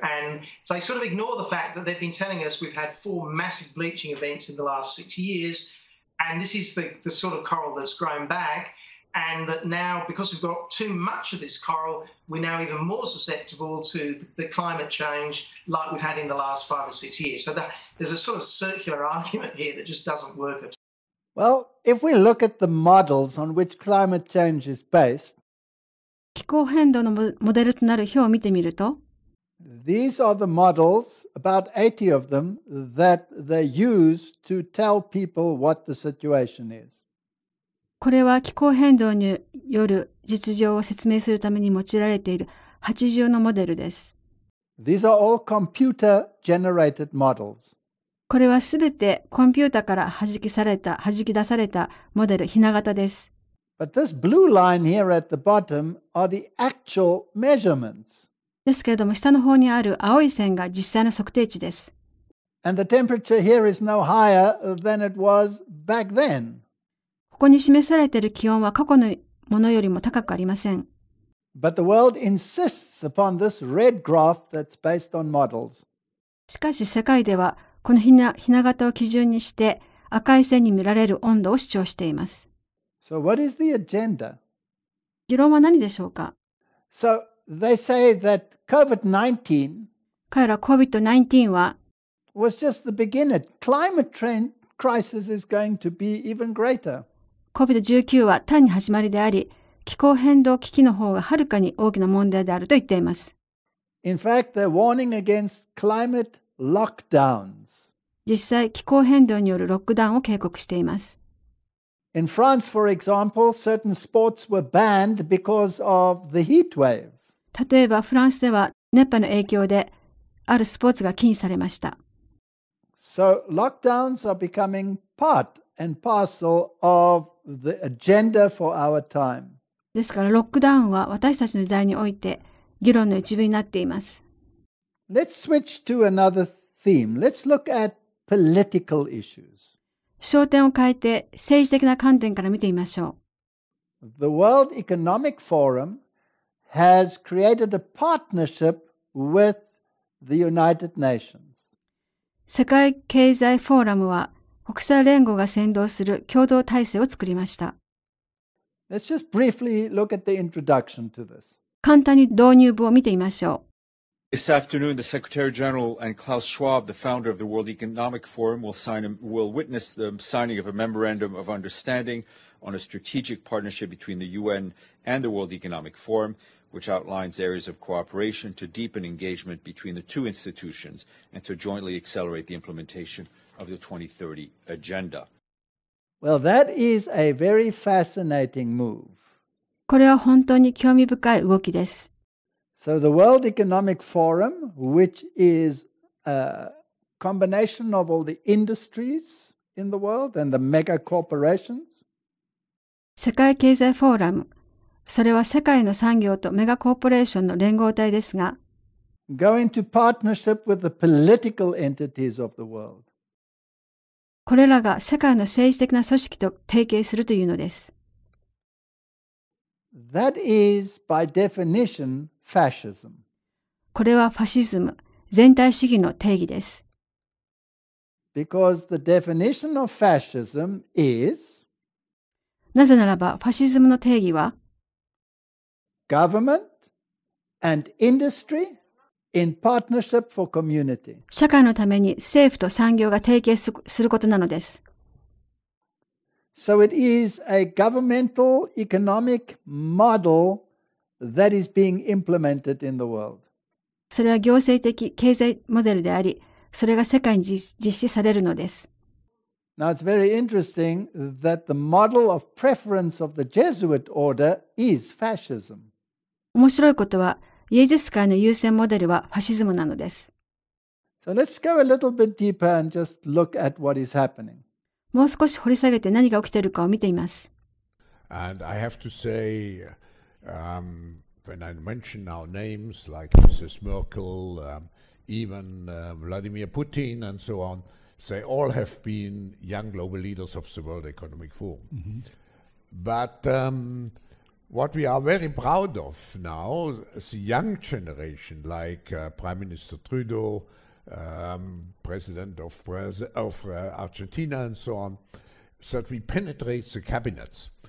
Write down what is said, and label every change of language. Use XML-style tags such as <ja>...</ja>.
<en>And they sort of ignore the fact that they've been telling us we've had 4 massive bleaching events in the last 6 years, and this is the sort of coral that's grown back, and that now, because we've got too much of this coral, we're now even more susceptible to the climate change like we've had in the last 5 or 6 years. So there's a sort of circular argument here that just doesn't work at all. Well, if we look at the models on which climate change is based,</en> <ja>気候変動のモデルとなる表を見てみると、</ja> <en>these are the models, about 80 of them, that they use to tell people what the situation is.</en> <ja>これは気候変動による実情を説明するために用いられている80のモデルです。</ja> <en>These are all computer generated models.</en> <ja>これはすべてコンピューターから弾き出されたモデル、ひな型です。</ja> <en>But this blue line here at the bottom are the actual measurements.</en> <ja>ですけれども、下の方にある青い線が実際の測定値です。</ja> <en>And the temperature here is no higher than it was back then.</en> <ja>ここに示されている気温は過去のものよりも高くありません。</ja> <en>But the world insists upon this red graph that's based on models.</en> <ja>しかし世界ではこのひな型を基準にして赤い線に見られる温度を主張しています。</ja> <en>So what is the agenda?</en> <ja>議論は何でしょうか?</ja> <en>So,They say that COVID-19,</en> <ja>彼ら COVID-19 は</ja> <en>was just the beginning. Climate trend crisis is going to be even greater.</en> <ja>COVID-19 は単に始まりであり、気候変動危機の方がはるかに大きな問題であると言っています。</ja> <en>In fact, they're warning against climate lockdowns.</en> <ja>実際、気候変動によるロックダウンを警告しています。</ja> <en>In France, for example, certain sports were banned because of the heat wave.</en> <ja>例えばフランスでは熱波の影響であるスポーツが禁止されました。</ja> <en>So, lockdowns are becoming part and parcel of the agenda for our time.</en> <ja>ですからロックダウンは私たちの時代において議論の一部になっています。</ja> <en>Let's switch to another theme. Let's look at political issues.</en> <ja>焦点を変えて政治的な観点から見てみましょう。</ja> <en>The World Economic ForumHas created a partnership with the United Nations.</en> <ja>世界経済フォーラムは国際連合が先導する共同体制を作りました。</ja> <en>Let's just briefly look at the introduction to this.</en> <ja>簡単に導入部を見てみましょう。</ja> <en>This afternoon, the Secretary General and Klaus Schwab, the founder of the World Economic Forum, will witness the signing of a memorandum of understanding on a strategic partnership between the UN and the World Economic Forum, which outlines areas of cooperation to deepen engagement between the two institutions and to jointly accelerate the implementation of the 2030 agenda. Well, that is a very fascinating move.</en> <ja>これは本当に興味深い動きです。</ja> <en>So the World Economic Forum, which is a combination of all the industries in the world and the mega corporations.</en> <ja>世界経済フォーラム、それは世界の産業とメガコーポレーションの連合体ですが、</ja> <en>go into partnership with the political entities of the world.</en> <ja>これらが世界の政治的な組織と提携するというのです。</ja> <en>That is, by definition, fascism.</en> <ja>これはファシズム、全体主義の定義です。</ja> <en>Because the definition of fascism is</en> <ja>なぜならば、ファシズムの定義は</ja> <en>Government and industry in partnership for community</en> <ja>社会のために政府と産業が提携することなのです。</ja> <en>So it is a governmental economic model that is being implemented in the world.</en> <ja>それは行政的経済モデルであり、それが世界に実施されるのです。</ja> <en>Now it's very interesting that the model of preference of the Jesuit order is fascism.</en> <ja>面白いことは、イエズス会の優先モデルはファシズムなのです。</ja> <en>So let's go a little bit deeper and just look at what is happening.</en> <ja>もう少し掘り下げて何が起きているかを見ています。</ja> <en>And I have to say, when I mention our names like Mrs. Merkel, even Vladimir Putin and so on, they all have been young global leaders of the World Economic Forum. Mm-hmm. But what we are very proud of now, the young generation like Prime Minister Trudeau,President of Argentina and so on, that we penetrate the cabinets.</en>